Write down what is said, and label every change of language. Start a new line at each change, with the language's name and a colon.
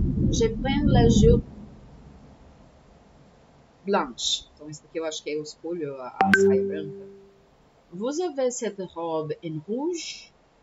French: Je prends la jupe blanche.
Portuguese: Então, isso aqui eu acho que é o escolho, a saia branca.
French: Vous avez cette robe en rouge?